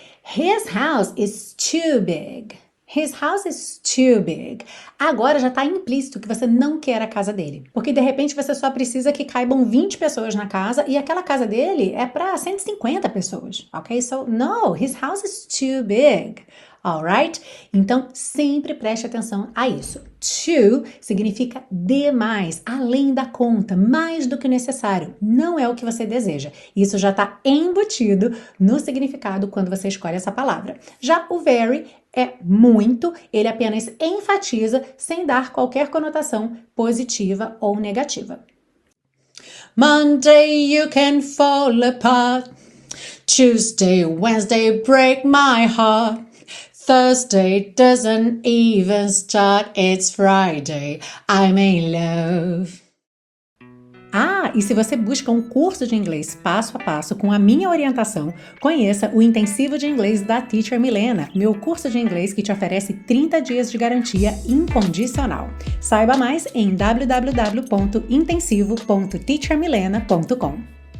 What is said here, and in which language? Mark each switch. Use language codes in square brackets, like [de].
[en] His house is too big. His house is too big. [pt] Agora já está implícito que você não quer a casa dele. Porque de repente você só precisa que caibam 20 pessoas na casa e aquela casa dele é para 150 pessoas, ok? [en] So, no, his house is too big, alright? [pt] Então, sempre preste atenção a isso. Too significa demais, além da conta, mais do que necessário. Não é o que você deseja. Isso já está embutido no significado quando você escolhe essa palavra. Já o very é muito, ele apenas enfatiza sem dar qualquer conotação positiva ou negativa. [en] Monday you can fall apart, Tuesday, Wednesday break my heart, Thursday doesn't even start, it's Friday, I'm in love. [pt] Ah, e se você busca um curso de inglês passo a passo com a minha orientação, conheça o Intensivo de Inglês da Teacher Milena, meu curso de inglês que te oferece 30 dias de garantia incondicional. Saiba mais em www.intensivo.teachermilena.com.